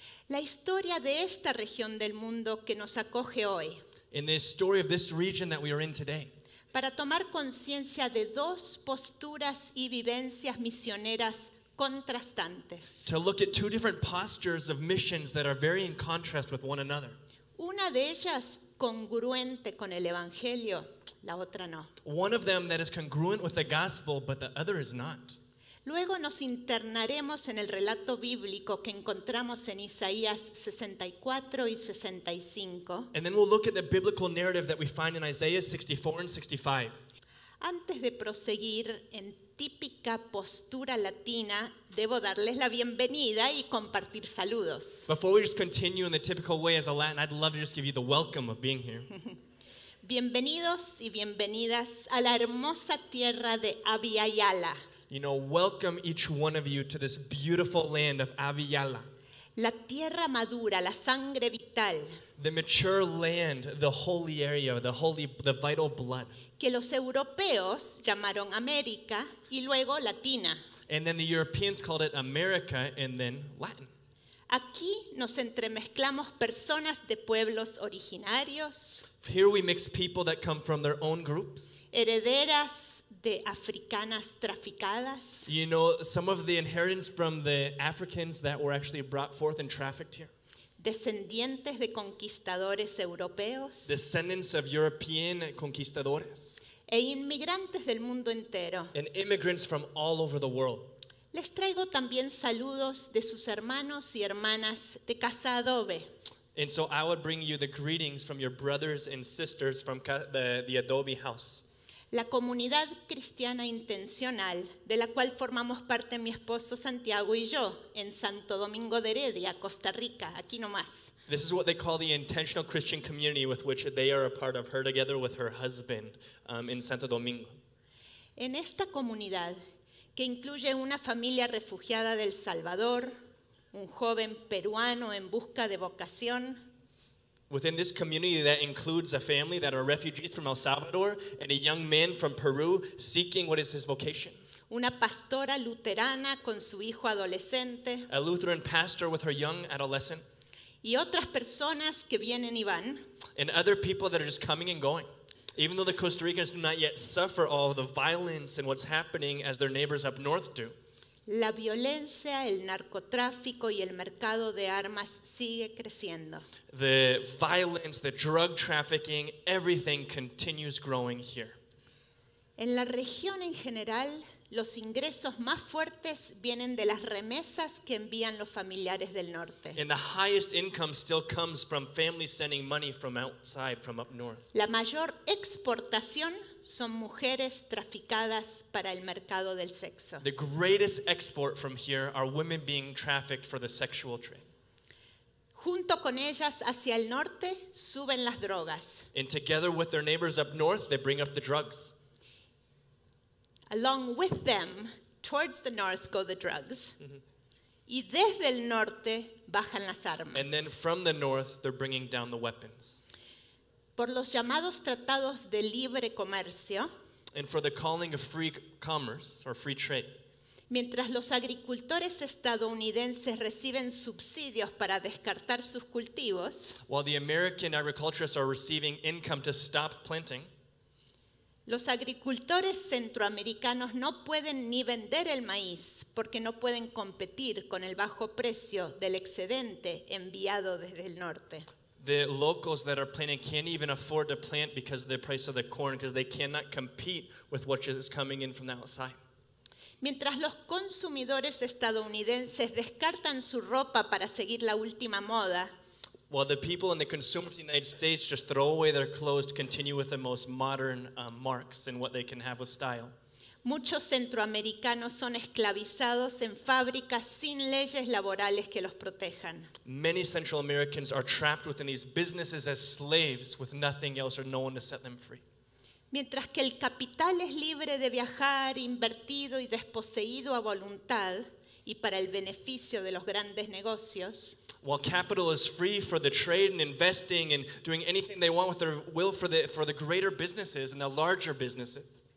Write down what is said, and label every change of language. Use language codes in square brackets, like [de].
[es] La historia de esta región del mundo que nos acoge hoy. [en] In the story of this region that we are in today. [es] Para tomar conciencia de dos posturas y vivencias misioneras contrastantes. [en] To look at two different postures of missions that are very in contrast with one another. [es] Una de ellas congruente con el evangelio, la otra no. [en] One of them that is congruent with the gospel, but the other is not. [es] Luego nos internaremos en el relato bíblico que encontramos en Isaías 64 y 65. [en] And then we'll look at the biblical narrative that we find in Isaiah 64 and 65. [es] Antes de proseguir en típica postura latina, debo darles la bienvenida y compartir saludos. [en] Before we just continue in the typical way as a Latin, I'd love to just give you the welcome of being here. [es] Bienvenidos y bienvenidas a la hermosa tierra de Avialla. [en] You know, welcome each one of you to this beautiful land of Avialla. [es] La tierra madura, la sangre vital. [en] The mature land, the holy area, the vital blood. [es] Que los europeos llamaron América y luego Latina. [en] And then the Europeans called it America and then Latin. [es] Aquí nos entremezclamos personas de pueblos originarios. [en] Here we mix people that come from their own groups. [es] Herederas de africanas traficadas. [en] You know, some of the inheritance from the Africans that were actually brought forth and trafficked here. [es] Descendientes de conquistadores europeos. [en] Descendants of European conquistadores. [es] E inmigrantes del mundo entero. [en] And immigrants from all over the world. [es] Les traigo también saludos de sus hermanos y hermanas de Casa Adobe. [en] And so I would bring you the greetings from your brothers and sisters from the Adobe House. [es] La comunidad cristiana intencional de la cual formamos parte mi esposo Santiago y yo en Santo Domingo de Heredia, Costa Rica, aquí nomás. [en] This is what they call the intentional Christian community with which they are a part of, her together with her husband in Santo Domingo. [es] En esta comunidad que incluye una familia refugiada del Salvador, un joven peruano en busca de vocación. [en] Within this community that includes a family that are refugees from El Salvador and a young man from Peru seeking what is his vocation. [es] Una pastora luterana con su hijo adolescente. [en] A Lutheran pastor with her young adolescent. [es] Y otras personas que vienen y van. [en] And other people that are just coming and going. Even though the Costa Ricans do not yet suffer all the violence and what's happening as their neighbors up north do. [es] La violencia, el narcotráfico y el mercado de armas sigue creciendo. [en] The violence, the drug trafficking, everything continues growing here. [es] En la región en general, los ingresos más fuertes vienen de las remesas que envían los familiares del norte. [en] And the highest income still comes from families sending money from outside, from up north. [es] La mayor exportación son mujeres traficadas para el mercado del sexo. [en] The greatest export from here are women being trafficked for the sexual trade. [es] Junto con ellas hacia el norte suben las drogas. [en] And together with their neighbors up north, they bring up the drugs. Along with them, towards the north go the drugs. [es] Mm-hmm. Y desde el norte bajan las armas. [en] And then from the north, they're bringing down the weapons. [es] Por los llamados tratados de libre comercio. [en] And for the calling of free commerce or free trade. [es] Mientras los agricultores estadounidenses reciben subsidios para descartar sus cultivos. [en] While the American agriculturists are receiving income to stop planting. [es] Los agricultores centroamericanos no pueden ni vender el maíz porque no pueden competir con el bajo precio del excedente enviado desde el norte. [en] The locals that are planting can't even afford to plant because of the price of the corn because they cannot compete with what is coming in from the outside. [es] Mientras los consumidores estadounidenses descartan su ropa para seguir la última moda. [en] While the people and the consumers of the United States just throw away their clothes to continue with the most modern marks and what they can have with style. [es] Muchos centroamericanos son esclavizados en fábricas sin leyes laborales que los protejan. [en] Many Central Americans are trapped within these businesses as slaves with nothing else or no one to set them free. [es] Mientras que el capital es libre de viajar, invertido y desposeído a voluntad y para el beneficio de los grandes negocios. [en] While capital is free for the trade and investing and doing anything they want with their will for the greater businesses and the larger businesses.